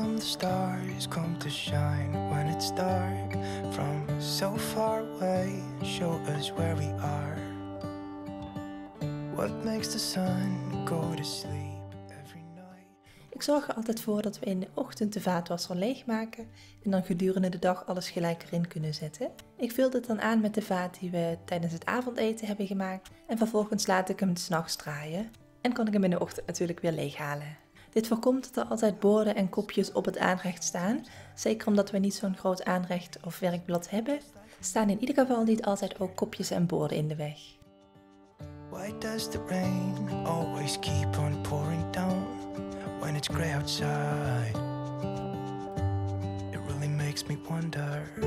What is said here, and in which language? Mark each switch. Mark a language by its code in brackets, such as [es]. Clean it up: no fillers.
[en] Stars come to shine when it's dark from so far away. Show us where we are. What makes the sun go to sleep every night? [nl] Ik zorg er altijd voor dat we in de ochtend de vaatwasser leegmaken en dan gedurende de dag alles gelijk erin kunnen zetten. Ik vul dit dan aan met de vaat die we tijdens het avondeten hebben gemaakt en vervolgens laat ik hem 's nachts draaien en kan ik hem in de ochtend natuurlijk weer leeghalen. Dit voorkomt dat er altijd borden en kopjes op het aanrecht staan. Zeker omdat we niet zo'n groot aanrecht of werkblad hebben, staan in ieder geval niet altijd ook kopjes en borden in de weg. [en] Why does the rain always keep on pouring down when it's gray outside? It really makes me wonder.